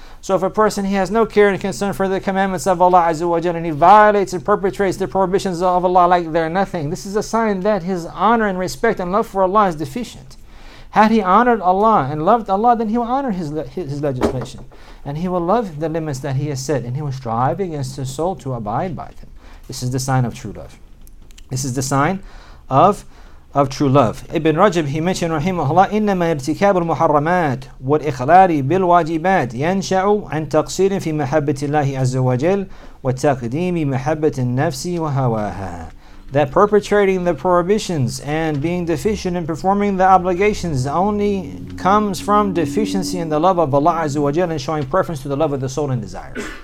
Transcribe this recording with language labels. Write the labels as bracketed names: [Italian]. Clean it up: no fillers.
[English] So if a person, he has no care and concern for the commandments of Allah Azza wa Jal, and he violates and perpetrates the prohibitions of Allah like they're nothing, this is a sign that his honor and respect and love for Allah is deficient. Had he honored Allah and loved Allah, then he will honor his legislation. And he will love the limits that he has set, and he will strive against his soul to abide by them. This is the sign of true love. This is the sign of true love. [Arabic] Ibn Rajab, [English] he mentioned, [Arabic] rahimahullah, إِنَّمَا يَرْتِكَابُ الْمُحَرَّمَاتِ وَالْإِخْلَارِ بِالْوَاجِبَاتِ يَنْشَعُ عَنْ تَقْصِيرٍ فِي مَحَبَّةِ اللَّهِ عَزَّ وَجَلْ وَتَقْدِيمِ مَحَبَّةِ النَّفْسِ وَهَوَاهَا. [English] That perpetrating the prohibitions and being deficient in performing the obligations only comes from deficiency in the love of Allah Azza wa Jal, and showing preference to the love of the soul and desires.